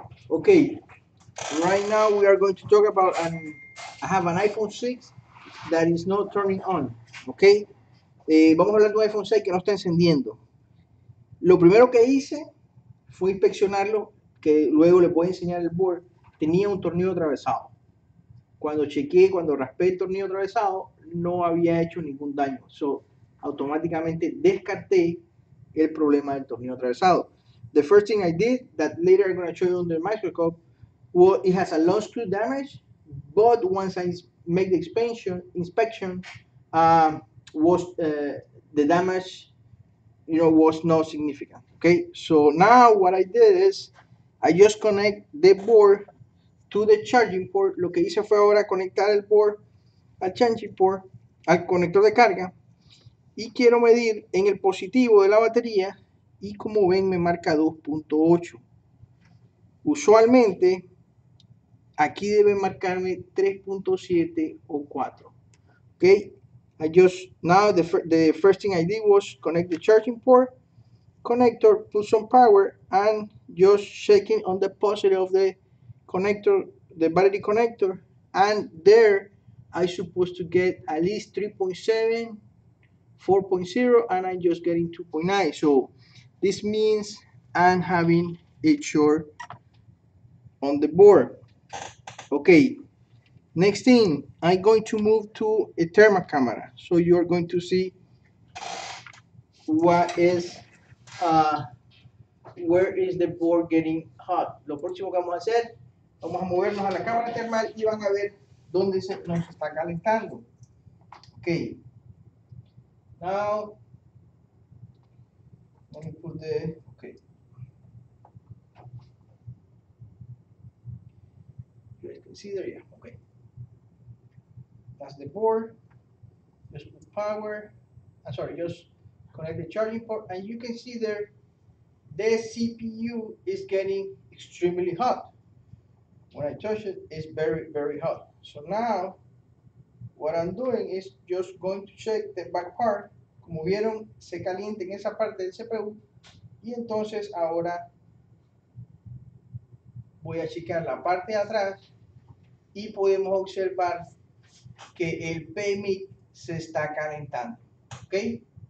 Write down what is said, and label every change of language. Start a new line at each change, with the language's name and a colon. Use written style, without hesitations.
English: Okay, right now we are going to talk about, I have an iPhone 6 that is not turning on, okay?
Spanish: Vamos a hablar de un iPhone 6 que no está encendiendo. Lo primero que hice fue inspeccionarlo, que luego le voy a enseñar el board. Tenía un tornillo atravesado. Cuando chequeé, cuando raspé el tornillo atravesado, no había hecho ningún daño. So, automáticamente descarté el problema del tornillo atravesado.
English: The first thing I did, that later I'm going to show you under the microscope, well, it has a long screw damage, but once I make the inspection, the damage, was not significant. Okay, so now what I did is, I just connect the board to the charging port.
Spanish: Lo que hice fue ahora conectar el board al charging port, al conector de carga, y quiero medir en el positivo de la batería. Y como ven, me marca 2.8. Usualmente, aquí debe marcarme 3.7 o 4. Okay.
English: The first thing I did was connect the charging port, connector, put some power, and just checking on the positive of the connector, the battery connector. And there, I'm supposed to get at least 3.7, 4.0, and I'm just getting 2.9. So, this means I'm having a short on the board. Okay, next thing, I'm going to move to a thermal camera. So you're going to see where is the board getting hot.
Spanish: Lo próximo que vamos a hacer, vamos a movernos a la cámara termal y van a ver dónde se nos está calentando.
English: Okay, now, let me put the, okay. You can see there, yeah, okay. That's the board. Just put power. I'm sorry, just connect the charging port. And you can see there, the CPU is getting extremely hot. When I touch it, it's very, very hot. So now, what I'm doing is just going to check the back part.
Spanish: Como vieron, se calienta en esa parte del CPU. Y entonces ahora voy a checar la parte de atrás y podemos observar que el PMIC se está calentando. ¿Ok?